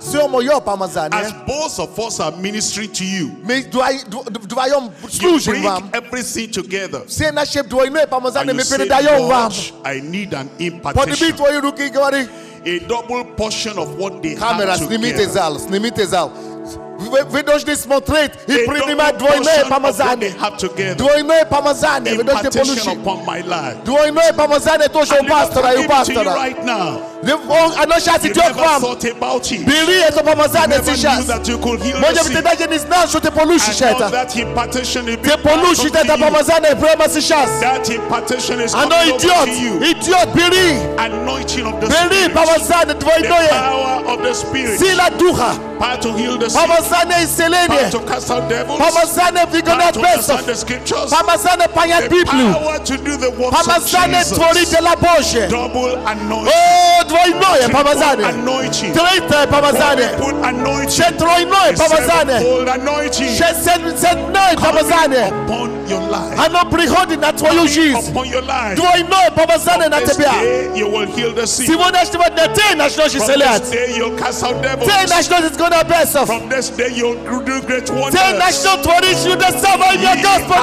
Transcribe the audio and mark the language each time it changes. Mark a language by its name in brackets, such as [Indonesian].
[English] As both of us are ministering to you. You bring everything together. And you say, I need an impartation. A double portion of what they have together. [Russian] Вы должны смотреть и принимать двойное помазание. Двойное помазание. Вы должны получить. Двойное помазание тоже у пастора и у пастора. Оно сейчас идет к вам. Бери это помазание сейчас. Может быть, ты даже не знал, что ты получишь это. Ты получишь это помазание прямо сейчас. Оно идет. Идет. Бери. Бери помазание двойное. Сила Духа. Помазание исцеления. Помазание выгонять бесов. Помазание понять Библию. Помазание творить дела Божьи. О, двойное помазание. Третье помазание. Еще тройное помазание. Еще седьмое помазание. Оно приходит на твою жизнь. Двойное помазание на тебя. Сегодняшнего дня ты начнешь исцелять. Ты начнешь изгонять. [English] From this day you'll do great wonders. Ten national twins, you the servant of your gospel.